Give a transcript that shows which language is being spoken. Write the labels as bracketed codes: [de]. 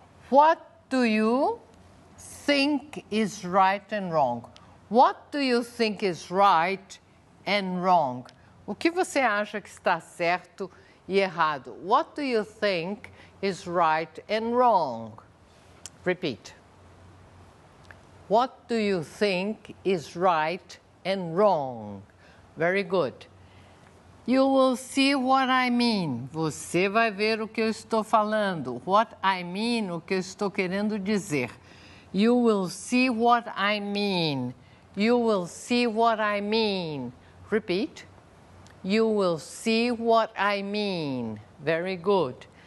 [en] What do you think is right and wrong? What do you think is right and wrong? [pt] O que você acha que está certo e errado? [en] What do you think is right and wrong? Repeat. What do you think is right and wrong? Very good. You will see what I mean. [pt] Você vai ver o que eu estou falando. [en] What I mean, [pt] o que eu estou querendo dizer. [en] You will see what I mean. You will see what I mean. Repeat. You will see what I mean. Very good.